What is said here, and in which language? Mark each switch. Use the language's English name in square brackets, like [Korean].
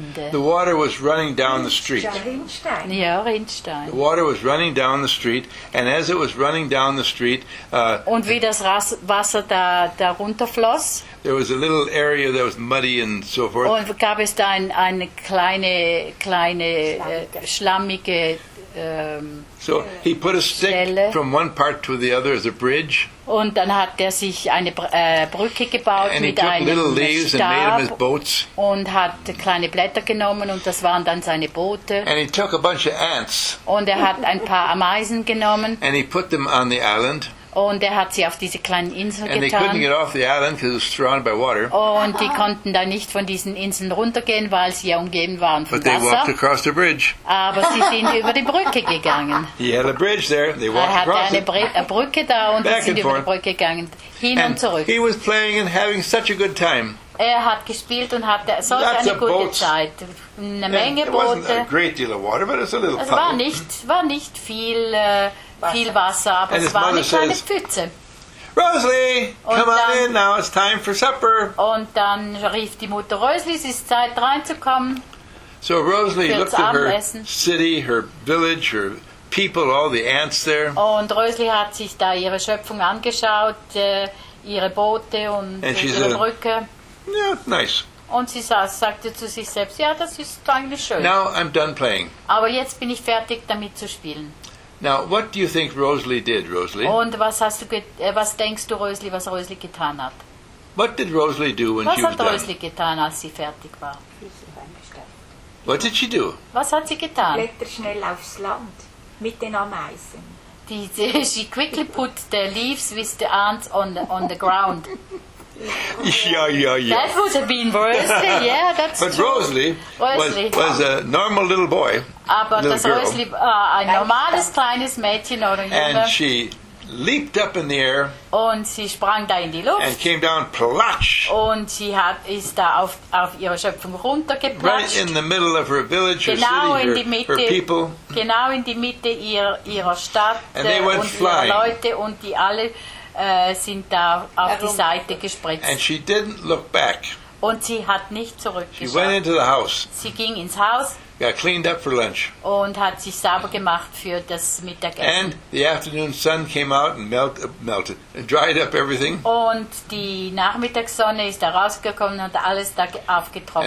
[English] The water was running down the street. [German] Ja, Rindstein. [English] The water was running down the street, and as it was running down the street, [German] und wie das Wasser da runterfloss, [English] there was a little area that was muddy and so forth. [German] Und gab es da eine kleine schlammige [English] So he put a stick [German] Stelle. [English] From one part to the other as a bridge. [German] Und dann hat er sich eine Brücke gebaut [English] and [German] mit einem [English] little leaves [German] Stab [English] and made them as boats. [German] Und hat kleine Blätter genommen und das waren dann seine Boote. [English] And he took a bunch of ants. [German] Und er hat ein paar Ameisen genommen. [English] And he put them on the island. [German] Und er hat sie auf diese kleinen Inseln [English] and [German] getan. [English] They couldn't get off the island because it was surrounded by water. [German] Und die konnten da nicht von diesen Inseln runtergehen, weil sie ja umgeben waren von [English] But they [German] Wasser. [English] Walked across the bridge. [German] Aber sie sind über die Brücke gegangen. [English] He had a bridge there. They walked [German] er hatte [English] across [German] eine Brücke da und [English] Back [German] sind [English] and [German] über [English] forth. [German] Die Brücke gegangen, hin [English] and [German] und zurück. [English] He was playing and having such a good time. [German] Er hat gespielt und hatte so eine gute [English] boats. [German] Zeit. Eine Menge Boote. [English] Great deal of water, but it's a little [German] es war nicht viel... viel Wasser, aber [English] and [German] es war eine kleine [English] says, [German] Pfütze. [English] Rosalie, [German] und [English] come [German] dann, [English] on in now, it's time for supper. [German] Und dann rief die Mutter, Rosalie, es ist Zeit reinzukommen. [English] So Rosalie looked at her city, her village, her people, all the ants there. [German] Und Rosalie hat sich da ihre Schöpfung angeschaut, ihre Boote und ihre [English] said, [German] Brücke. [English] Yeah, nice. [German] Und sie sagte zu sich selbst, ja, das ist eigentlich schön. [English] Now I'm done playing. [German] Aber jetzt bin ich fertig damit zu spielen. [English] Now, what do you think Rosalie did, Rosalie? [German] Und was denkst du, Rosalie, was Rosalie getan hat? [English] What did Rosalie do when [German] was [English] she was [German] Was hat Rosalie getan, als sie fertig war? [English] What did she do? [German] Was hat sie getan? Blätter schnell aufs Land mit den Ameisen. [English] She quickly put the leaves with the ants on the ground. Yeah, yeah, yeah. That would have been worse. Yeah, that's But true. Rosalie, Rosalie. Was a normal little boy. [German] Aber [English] little [German] das Rosalie [English] girl. [German] Ein normales kleines Mädchen oder Junge. [English] And she leaped up in the air. [German] Und sie sprang da in die Luft. [English] And came down platsch. [German] Und sie ist da auf ihre Schöpfung runtergeplatscht. [English] Right in the middle of her village, [German] genau [English] her city, [German] Mitte, [English] her people. [German] Genau in die Mitte ihrer Stadt [English] and they went [German] und [English] flying. [German] Ihre Leute und die alle. Sind da auf die Seite gespritzt. [English] And she didn't look back. [German] Und sie hat nicht zurückgeschaut. [English] She went into the house. [German] Sie ging ins Haus. [English] Got cleaned up for lunch. [German] Und hat sich sauber gemacht für das Mittagessen. [English] And the afternoon sun came out and melted and dried up everything. [German] Und die Nachmittagssonne ist da rausgekommen und alles da aufgetrocknet.